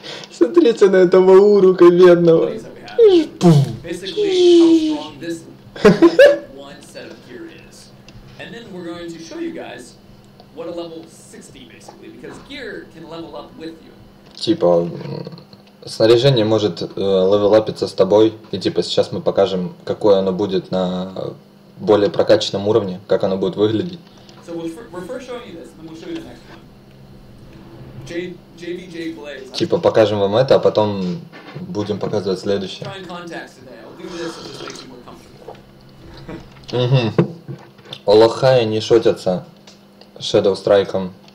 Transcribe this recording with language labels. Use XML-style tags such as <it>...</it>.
<ru>Смотрите на этого урука бедного.</ru> <en>Basically, how strong this one set of gear is, and then we're going to show you guys what a level 60 is. Because gear can level up with you.</en> <ru>Типа, снаряжение может левелапиться с тобой, и типа сейчас мы покажем, какое оно будет на более прокачанном уровне, как оно будет выглядеть.</ru> <en>So we're first showing you this, and then we'll show you the next one. JBJ Blaze.</en> <ru>Типа, покажем вам это, а потом будем показывать следующее.</ru> <en>Try and contact today. I'll do this, it just makes you more comfortable.</en> <ru>Угу. Олохаи не шутятся Shadow Strike'ом.</ru>